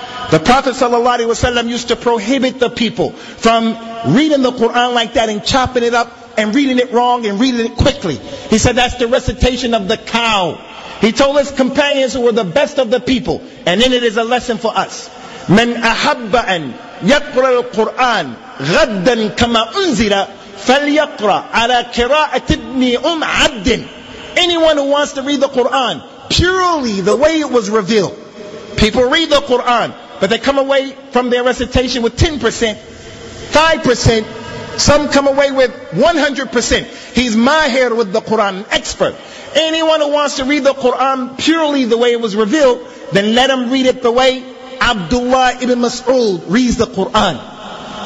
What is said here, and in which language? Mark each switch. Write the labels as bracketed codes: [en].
[en] The Prophet sallallahu alaihi wasallam used to prohibit the people from reading the Quran like that and chopping it up and reading it wrong and reading it quickly. He said that's the recitation of the cow. He told his companions who were the best of the people, and then it is a lesson for us. [ar] من أحب أن يقرأ القرآن غدا كما أنزل فليقرأ على قراءة ابن عبد. [en] Anyone who wants to read the Quran purely the way it was revealed. People read the Quran, but they come away from their recitation with 10%, 5%, some come away with 100%. He's mahir with the Quran, expert. Anyone who wants to read the Quran purely the way it was revealed, then let him read it the way Abdullah ibn Mas'ud reads the Quran.